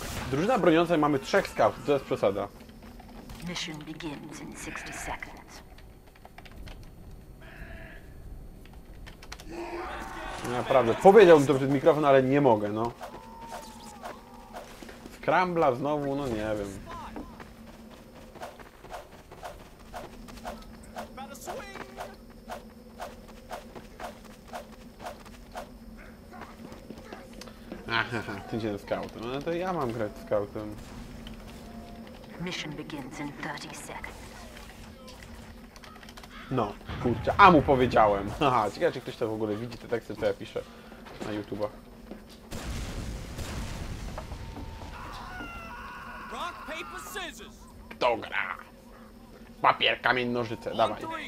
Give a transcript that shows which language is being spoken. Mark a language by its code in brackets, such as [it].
[pl] Drużyna broniąca i mamy 3 skaw, to jest przesada. [en] Mission begins in 60 seconds. [pl] Naprawdę, powiedziałbym to przed mikrofon, ale nie mogę, no. Skrambla znowu, no nie wiem. Aha, ty dzień scoutem. No to ja mam grać scoutem. [en] Mission begins in 30 seconds. [pl] No, kurczę, a mu powiedziałem. Haha, ciekawe, czy ktoś to w ogóle widzi, te teksty, co ja piszę na YouTube'ach. [en] Rock, paper, scissors. [pl] Kto gra? Papier, kamień, nożyce, dawaj.